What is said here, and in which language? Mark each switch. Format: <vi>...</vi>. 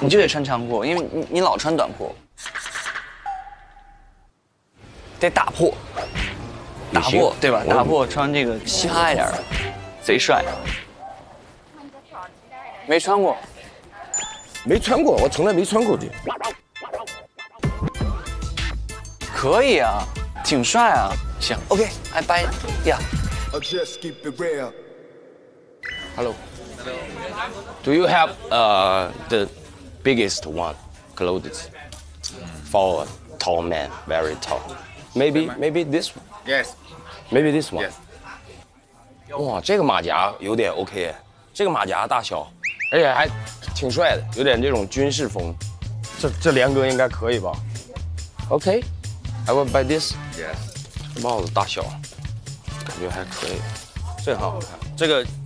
<zh>你就得穿长裤，因为你老穿短裤，得打破，打破对吧？打破穿这个嘻哈一点，贼帅。没穿过，没穿过，我从来没穿过的。可以啊，挺帅啊，行 ，OK， 哎，拜呀。</zh> <en>Hello。 Do you have the biggest one clothes for a tall man, very tall? Maybe this one. Yes. Maybe this one. Yes.</en> <zh>哇，这个马甲有点 OK， 这个马甲大小，而且还挺帅的，有点这种军事风。这连哥应该可以吧 ？OK.</zh> <en>I will buy this. Yes.</en> <zh>帽子大小，感觉还可以，这很好看。这个。</zh>